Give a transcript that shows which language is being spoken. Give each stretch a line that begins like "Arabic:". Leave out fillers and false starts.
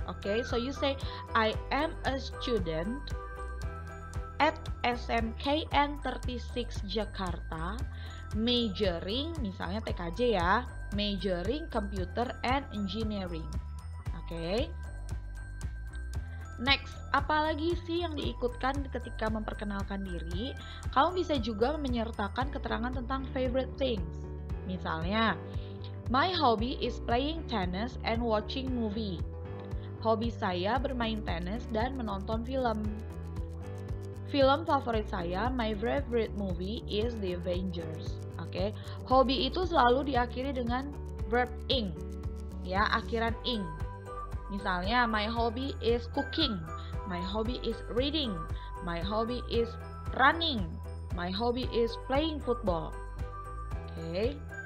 English: Okay, so you say I am a student at SMKN 36 Jakarta majoring,
Indonesian: misalnya TKJ ya,
English: majoring computer and engineering. Okay.
Indonesian: Next, apalagi sih yang diikutkan ketika memperkenalkan diri? Kamu bisa juga menyertakan keterangan tentang favorite things.
English: Misalnya, my hobby is playing tennis and watching movie.
Indonesian: Hobi saya bermain tenis dan menonton film. Film favorit saya,
English: my favorite movie is The Avengers. Oke, okay?
Indonesian: Hobi itu selalu diakhiri dengan verb ing, ya, akhiran ing.
English: Misalnya, my hobby is cooking, my hobby is reading, my hobby is running, my hobby is playing football. Okay.